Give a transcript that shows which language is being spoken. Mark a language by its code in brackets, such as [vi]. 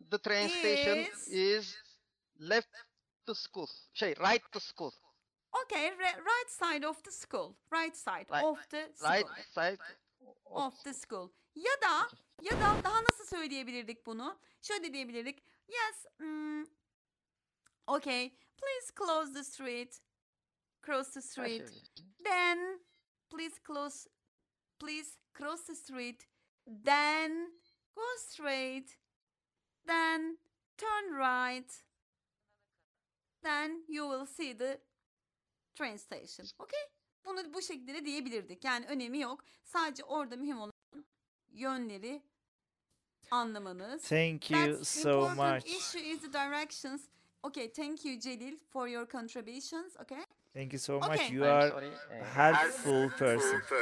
[en] The train station is left to school. Right to school. Okay, right side of the school. Right side of the school. Right side. Of the school. [tr] Ya da daha nasıl söyleyebilirdik bunu? Şöyle diyebilirdik. [en] Yes. Okay. Please close the street. Cross the street. Then please cross the street. Then go straight. Then turn right. Then you will see the train station. Okay? [tr] Bunu bu şekilde de diyebilirdik. Yani önemi yok. Sadece orada mühim olan yönleri anlamanız. [en] Thank you so much. That's important issue is the directions. Okay, thank you Celil for your contributions. Okay. Thank you so much. You are a helpful person.